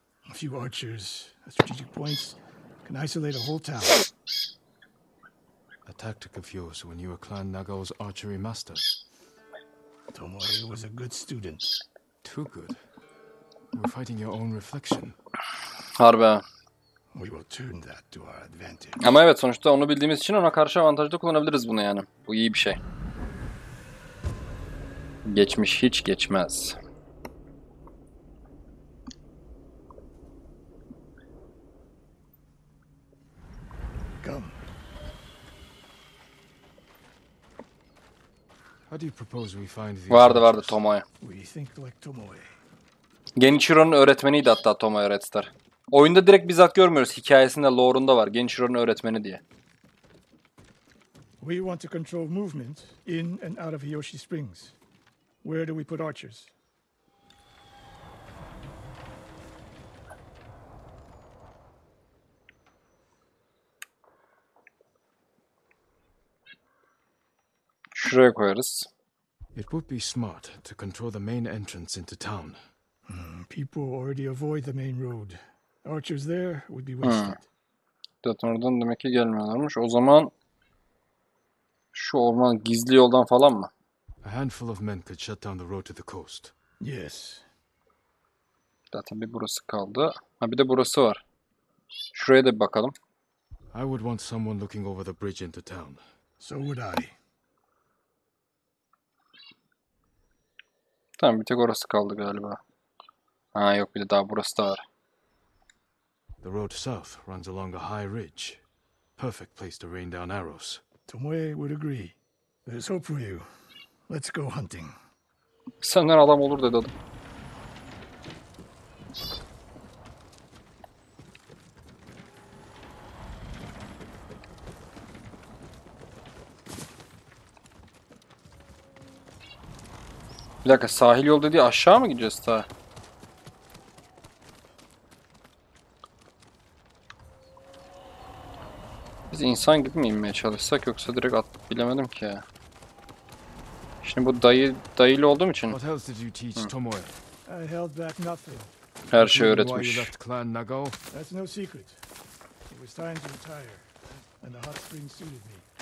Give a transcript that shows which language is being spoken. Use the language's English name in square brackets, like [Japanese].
[English] A few archers at strategic points can isolate a whole town. A tactic of yours when you were Clan Nagao's archery master. Tomoe was a good student. Too good. You're fighting your own reflection. [Turkish] Harbi. [English] We will turn that to our advantage. [Turkish] Ama evet, sonuçta onu bildiğimiz için ona karşı avantajlı kullanabiliriz bunu yani. Bu iyi bir şey. Geçmiş hiç geçmez. [English] How do you propose we find these [Turkish] Vardı vardı [English] archers? Tomoe. We think like Tomoe. [Turkish] Genichiro'nun öğretmeniydi hatta Tomoe Redstar. Oyunda direkt bizzat görmüyoruz. Hikayesinde, lore'unda var. Genichiro'nun öğretmeni diye. [English] We want to control movement in and out of Hiyoshi Springs. Where do we put archers? [Turkish] Şuraya koyarız. [English] It would be smart to control the main entrance into town. People already avoid the main road. Archers there would be wasted. [Turkish] Zaten oradan demek ki gelmiyorlarmış. O zaman şu orman gizli yoldan falan mı? [English] A handful of men could shut down the road to the coast. Yes. [Turkish] Zaten bir burası kaldı. Ha bir de burası var. Şuraya da bir bakalım. [English] I would want someone looking over the bridge into town. So would I. [Turkish] Tamam, bir tek orası kaldı galiba. Ha yok, bir de daha burası da var. [English] The road south runs along a high ridge. Perfect place to rain down arrows. Tomoe would agree. There's hope for you. Let's go hunting. [Turkish] Senden adam olur dedi adam. Bir dakika, sahil yolu dedi, aşağı mı gideceğiz ta? Biz insan gibi mi inmeye çalışsak yoksa direkt at, bilemedim ki. Şimdi bu dayıyla olduğum için. [English] What else did you teach Tomoe? I held back nothing. [Turkish] Her şeyi öğretmiş. [English] That's no secret. It was time to retire and the hot spring suited me.